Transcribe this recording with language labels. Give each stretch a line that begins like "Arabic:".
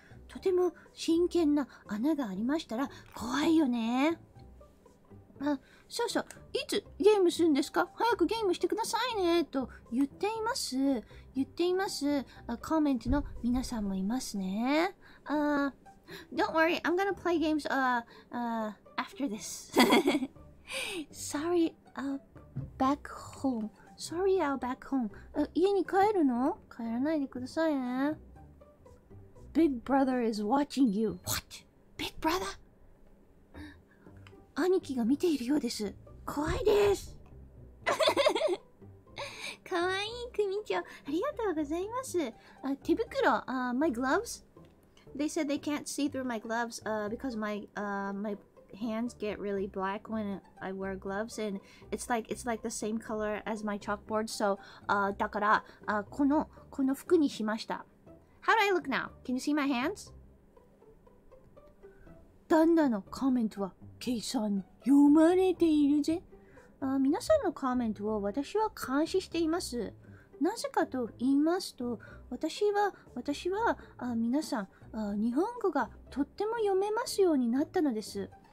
Japanese: とても真剣な穴がありましたら怖いよね。あ、そうそう、いつゲームするんですか？早くゲームしてくださいねと言っています、言っています。コメントの皆さんもいますね。
English: Don't worry, I'm gonna play games after this. Sorry, back home. Sorry, I'll back home.
Japanese: 家に帰るの？帰らないでくださいね。
English: Big brother is watching you. What? Big brother?
Japanese: 兄貴が見ているようです。怖いです。かわいい組長、ありがとうございます。手袋、
English: my gloves? They said they can't see through my gloves because my hands get really black when I wear gloves and it's like the same color as my chalkboard. So,
Japanese: だから、この服にしました。
English: How do I look now? Can you see my hands?
Japanese: 旦那のコメントはケイさんに読まれているぜ。皆さんのコメントを私は監視しています。なぜかと言いますと、私は皆さん、日本語がとっても読めますようになったのです。